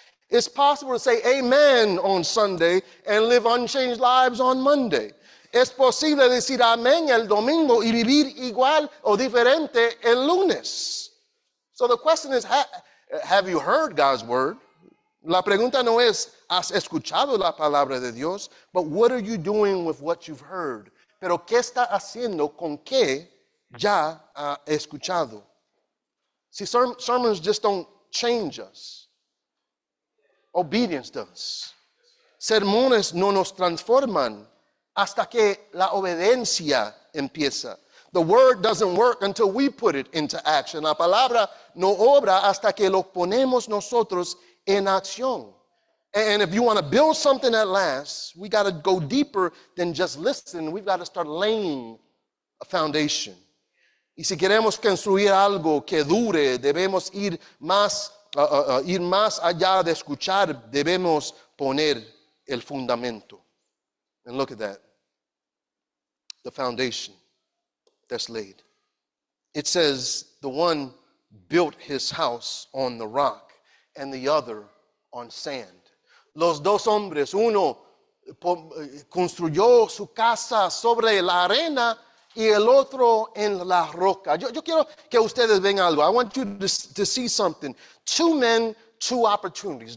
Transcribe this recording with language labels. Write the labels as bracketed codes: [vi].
[en] It's possible to say amen on Sunday and live unchanged lives on Monday. [es] Es posible decir amén el domingo y vivir igual o diferente el lunes. [en] So the question is, have you heard God's word? [es] La pregunta no es, ¿has escuchado la palabra de Dios? [en] But what are you doing with what you've heard? [es] Pero ¿qué está haciendo con qué ya ha escuchado? [en] See, sermons just don't change us. Obedience does. [es] Sermones no nos transforman hasta que la obediencia empieza. [en] The word doesn't work until we put it into action. [es] La palabra no obra hasta que lo ponemos nosotros en acción. [en] And if you want to build something that lasts, we got to go deeper than just listening. We've got to start laying a foundation. [es] Y si queremos construir algo que dure, debemos ir más allá de escuchar, debemos poner el fundamento. [en] And look at that. The foundation that's laid. It says, the one built his house on the rock and the other on sand. [es] Los dos hombres, uno construyó su casa sobre la arena y el otro en la roca. Yo quiero que ustedes vean algo. [en] I want you to see something. Two men, two opportunities.